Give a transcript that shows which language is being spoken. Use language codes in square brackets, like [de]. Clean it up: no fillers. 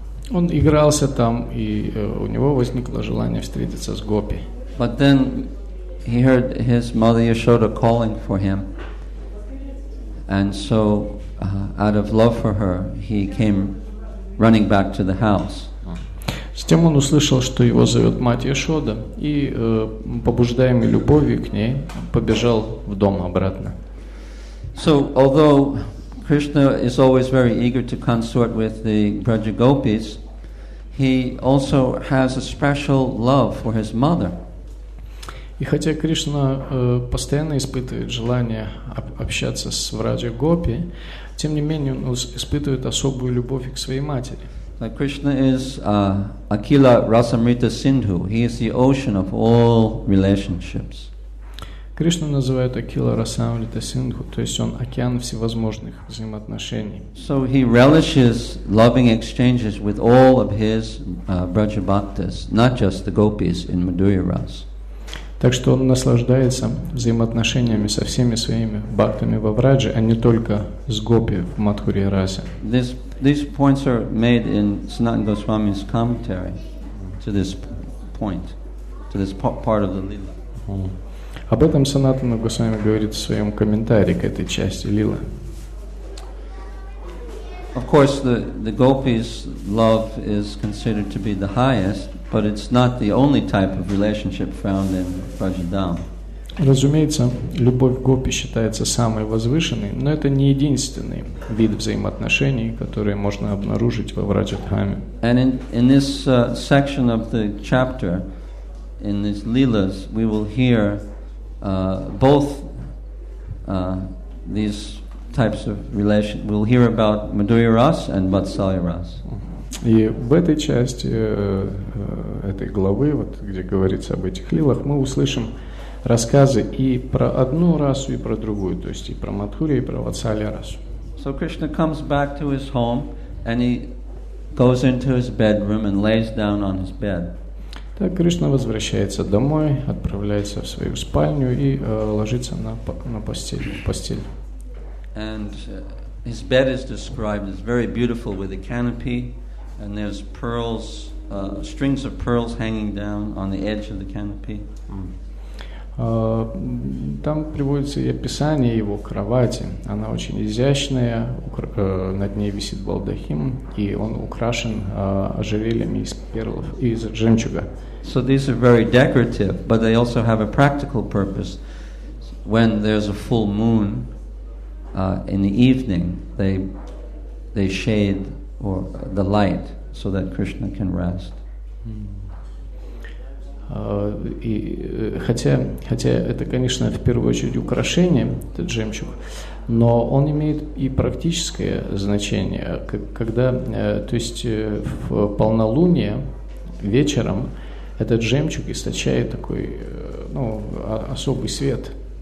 [ru] Он игрался там, и у него возникло желание встретиться с гопи. [en] But then he heard his mother Yashoda calling for him, and so out of love for her, he came running back to the house. [ru] Затем он услышал, что его зовет мать Яшода, и, побуждаемый любовью к ней, побежал в дом обратно. [en] So, although Krishna is always very eager to consort with the Braja Gopis, he also has a special love for his mother. [ru] И хотя Кришна постоянно испытывает желание общаться с Враджа Гопи, тем не менее он испытывает особую любовь к своей матери. [en] Krishna is Akila Rasamrita Sindhu. He is the ocean of all relationships. [ru] Krishna называет Akila Rasamrita Sindhu, то есть он океан всевозможных взаимоотношений. [en] So he relishes loving exchanges with all of his Braja Bhaktas, not just the gopis in Madhurya Ras. [ru] Так что он наслаждается взаимоотношениями со всеми своими бхактами во Врадже, а не только с гопи в Мадхурья Расе. [en] These points are made in Sanatana Goswami's commentary to this point, to this part of the Lila. [ru] Об этом Санатана Госвами говорит в своем комментарии к этой части Лилы. [en] Of course, the gopis' love is considered to be the highest, but it's not the only type of relationship found in Vrajadham. [ru] Разумеется, любовь гопи считается самой возвышенной, но это не единственный вид взаимоотношений, которые можно обнаружить во Враджадхаме. [en] And in this section of the chapter, in these lilas, we will hear both these types of relation. We'll hear about Madhurya Ras and Vatsalya Ras. [ru] И в этой части этой главы, вот, где говорится об этих лилах, мы услышим рассказы и про одну расу, и про другую, то есть и про Мадхурию, и про Ватсалья расу. [en] So Krishna comes back to his home, and he goes into his bedroom and lays down on his bed. [ru] Так Кришна возвращается домой, отправляется в свою спальню и ложится на постель. [en] And his bed is described as very beautiful with a canopy, and there's pearls, strings of pearls hanging down on the edge of the canopy. [ru] Там приводится и описание его кровати. Она очень изящная, над ней висит балдахин, и он украшен ожерельями из перлов, из жемчуга. [en] So these are very decorative, but they also have a practical purpose. When there's a full moon in the evening, they shade or the light so that Krishna can rest. [ru] И хотя это, конечно, в первую очередь украшение, этот жемчуг, но он имеет и практическое значение. Когда в полнолуние вечером этот жемчуг источает такой особый свет.